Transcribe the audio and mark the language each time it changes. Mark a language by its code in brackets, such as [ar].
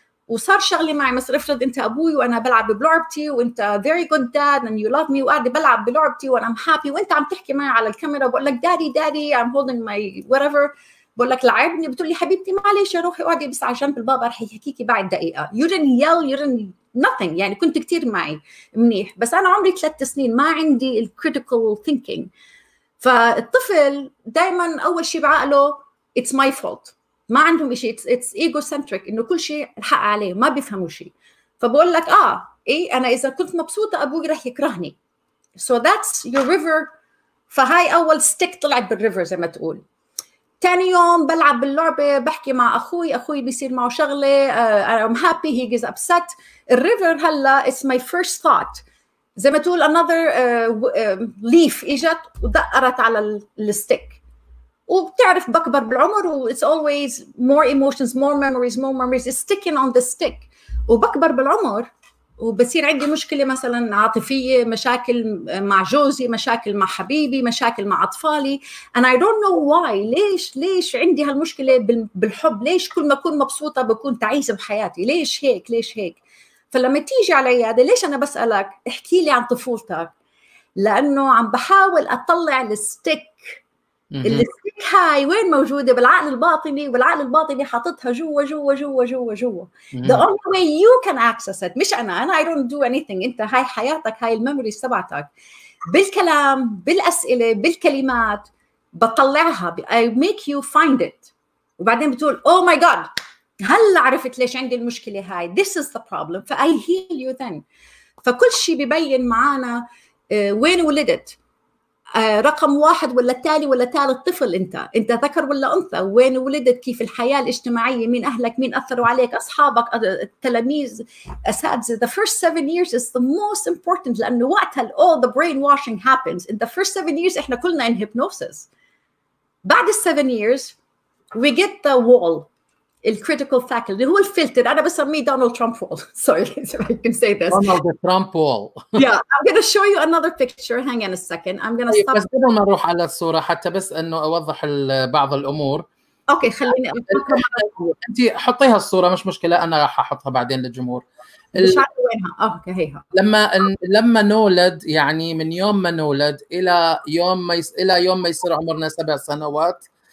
[ar] وصار شغلي معي مثلا افرض انت ابوي وانا بلعب بلعبتي وانت [en] very good dad and you love me [ar] وقاعد بلعب بلعبتي وانا [en] I'm happy [ar] وانت عم تحكي معي على الكاميرا بقول لك [en] daddy I'm holding my whatever, [ar] بقول لك لعبني, بتقول لي حبيبتي معليش روحي اقعدي بس على جنب البابا رح يحكيكي بعد دقيقه. [en] You didn't yell, you didn't nothing, [ar] يعني كنت كتير معي منيح. بس انا عمري 3 سنين ما عندي critical thinking. فالطفل دائما اول شيء بعقله it's my fault, ما عندهم شيء, [en] it's egocentric, [ar] إنه كل شيء الحق عليه, ما بيفهموا شيء. فبقول لك آه إيه أنا إذا كنت مبسوطة أبوي رح يكرهني. [en] So that's your river. [ar] فهاي أول stick طلعت بالريفر زي ما تقول. تاني يوم بلعب باللعبة بحكي مع أخوي, أخوي بيصير معه شغلة, [en] I'm happy, he gets upset. [ar] الريفر هلا [en] it's my first thought. [ar] زي ما تقول [en] another leaf [ar] إجت ودقرت على الستيك. وبتعرف بكبر بالعمر [en] و it's always more emotions, more memories, more memories, it's sticking on the stick. [ar] وبكبر بالعمر وبصير عندي مشكلة مثلا عاطفية, مشاكل مع جوزي, مشاكل مع حبيبي, مشاكل مع أطفالي, [en] and I don't know why, [ar] ليش عندي هالمشكلة بالحب, ليش كل ما أكون مبسوطة بكون تعيسة بحياتي, ليش هيك. فلما تيجي على عيادة ليش أنا بسألك احكي لي عن طفولتك, لأنه عم بحاول أطلع الستيك. الستيك هاي وين موجودة؟ بالعقل الباطني, والعقل الباطني حاططها جوا جوا جوا جوا جوا. [en] The only way you can access it, [ar] مش أنا [en] I don't do anything, [ar] أنت هاي حياتك, هاي الميموريز تبعتك, بالكلام, بالأسئلة, بالكلمات بطلعها, [en] I make you find it. [ar] وبعدين بتقول [en] oh my god [ar] هل عرفت ليش عندي المشكلة هاي, [en] this is the problem, فI heal you then. [ar] فكل شيء بيبين معانا وين ولدت, رقم واحد ولا التالي ولا تالت طفل, انت ذكر ولا انثى, وين ولدت, كيف الحياة الاجتماعية, مين اهلك, مين اثروا عليك, اصحابك, التلاميذ, اساتذة. [en] The first seven years is the most important, [ar] لانه وقتها [en] all the brainwashing happens. In the first seven years [ar] احنا كلنا [en] in hypnosis. بعد seven years we get the wall, الcritical faculty, [ar] هو الفلتر. أنا بسميه [en] Donald Trump wall. Sorry if I can say this. Donald Trump wall. Yeah, I'm going to show you another picture. Hang on a second. I'm going to stop. [ar] بس قبل ما أروح على الصورة حتى بس أنه أوضح بعض الأمور. أوكي خليني أفكر. أنت حطيها الصورة مش مشكلة, أنا راح أحطها بعدين للجمهور. مش عارف وينها. أوكي هيها. لما نولد, يعني من يوم ما نولد إلى يوم ما يصير عمرنا سبع سنوات.